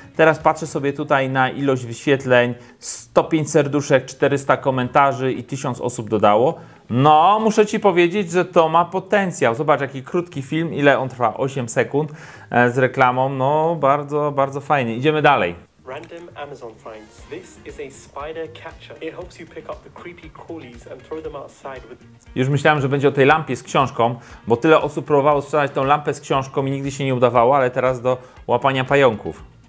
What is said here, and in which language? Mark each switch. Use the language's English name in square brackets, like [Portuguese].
[Polish] Teraz patrzę sobie tutaj na ilość wyświetleń. 105 serduszek, 400 komentarzy i 1000 osób dodało. No muszę ci powiedzieć, że to ma potencjał. Zobacz jaki krótki film, ile on trwa, 8 sekund z reklamą. No bardzo, bardzo fajnie. Idziemy dalej. [English] Random Amazon finds. This is a spider catcher. It helps you pick up the creepy crawlies and throw them outside with... [Polish] Już myślałem, że będzie o tej lampie z książką, bo tyle osób próbowało sprzedać tą lampę z książką i nigdy się nie udawało, ale teraz do łapania pająków.